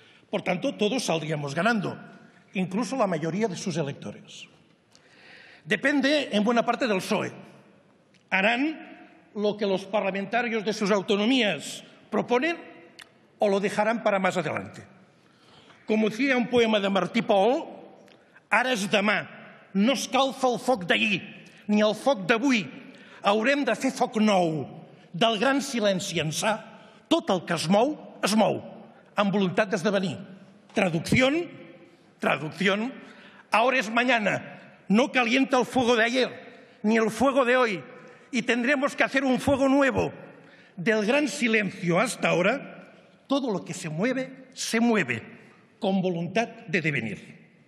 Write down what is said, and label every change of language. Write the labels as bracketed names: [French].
[Spanish] Por tanto, todos saldríamos ganando, incluso la mayoría de sus electores. Depende en buena parte del PSOE. ¿Harán lo que los parlamentarios de sus autonomías proponen o lo dejarán para más adelante? [Catalan] Como decía un poema de Martí Pol, ara és demà, no escalfa el foc d'ahir, ni el foc d'avui. Haurem de fer foc nou, del gran silenci ençà, tot el que es mou, amb voluntat d'esdevenir. [Spanish] Traducción, traducción, ahora es mañana, no calienta el fuego de ayer, ni el fuego de hoy, y tendremos que hacer un fuego nuevo. Del gran silencio hasta ahora, todo lo que se mueve, con voluntad de devenir.